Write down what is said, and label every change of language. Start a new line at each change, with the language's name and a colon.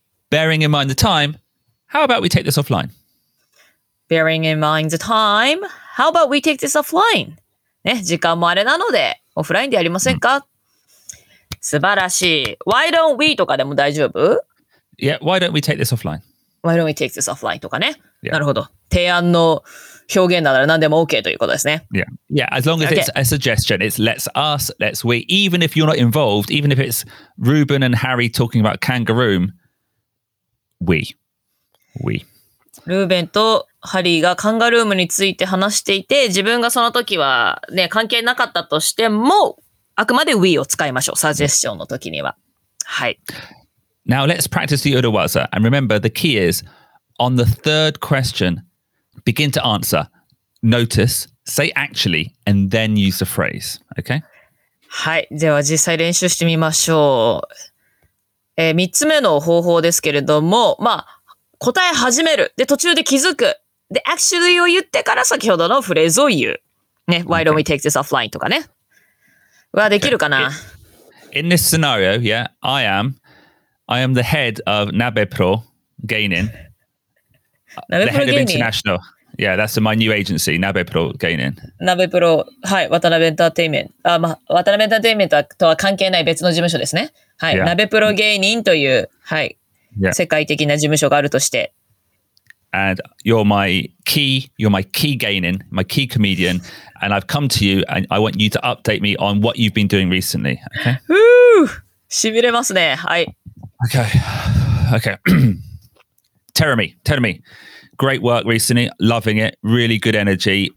English: Bearing in mind the time, how about we take this offline? Bearing in mind the time, how about we take this offline?
Japanese: ね、時間もあれなので、オフラインでやりませんか? 素晴らしい。
English: Why don't we
Japanese: とかでも大丈夫?
English: Yeah, why don't we take this offline? Why don't we take this offline
Japanese: とかね。
English: Yeah.
Japanese: なるほど。提案の表現なら何でも OK ということですね。
English: Yeah, yeah as long as it's a suggestion, it's let's us, let's we, even if you're not involved, even if it's Ruben and Harry talking about kangaroo, we.
Japanese: Ruben とハリーがカンガルームについて話していて、自分がその時はね、関係なかったとしても、あくまで we を使いましょう。サジェスションの時には。はい。
English: Now let's practice the urawaza. And remember, the key is, on the third question, begin to answer, notice, say actually, and then use the phrase. Okay?
Japanese: はい。では実際練習してみましょう。三つ目の方法ですけれども、まあ、答え始める。で、途中で気づく。で、actually を言ってから先ほどのフレーズを言う。ね、okay.
English: why don't we take this offline
Japanese: とかね。はできるかな、
English: okay. In this scenario, yeah, I am the head of Nabe Pro Gaining. Nabe Pro Gaining. International. Yeah, that's my new agency, Nabe Pro Gaining.
Japanese: Nabe Pro, はい、渡辺エンターテイメント。あ、まあ、渡辺エンターテイメントとは関係ない別の事務所ですね。はい、Nabe Pro Gaining という、はい、
English: yeah.
Japanese: 世界的な事務所があるとして。
English: And you're my key gaining, my key comedian, and I've come to you, and I want you to update me on what you've been doing recently.
Japanese: しびれますね。はい。
English: Okay. Teremy, great work recently, loving it, really good energy.